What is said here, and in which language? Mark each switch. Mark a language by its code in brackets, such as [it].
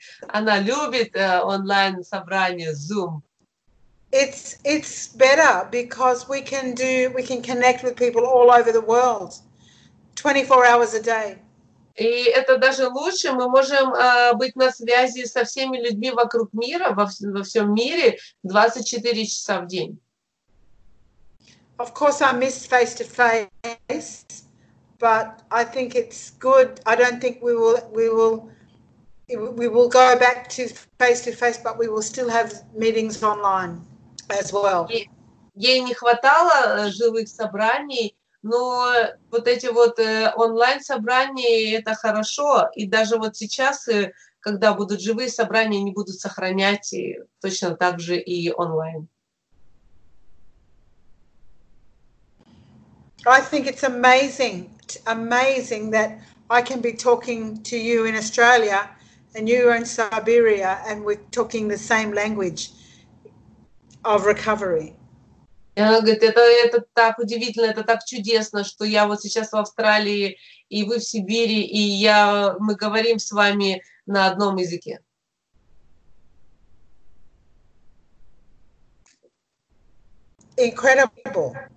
[ru] Она любит онлайн собрания Zoom. [en] It's better because we can connect with people all over the world. 24 hours a day. [ru] И это даже лучше. Мы можем быть на связи со всеми людьми вокруг мира, во всем мире, 24 часа в день. [en] Of course, I miss face-to-face, but I think it's good. I don't think we will go back to face-to-face, but we will still have meetings online as well. [ru] Ей не хватало живых собраний. Но вот эти вот онлайн-собрания, это хорошо. И даже вот сейчас, когда будут живые собрания, они будут сохранять и точно так же и онлайн. [en] I think it's amazing, amazing that I can be talking to you in Australia and you were in Siberia and we're talking the same language of recovery. [ru] И она говорит, это так удивительно, это так чудесно, что я вот сейчас в Австралии, и вы в Сибири, и мы говорим с вами на одном языке. [en] Incredible.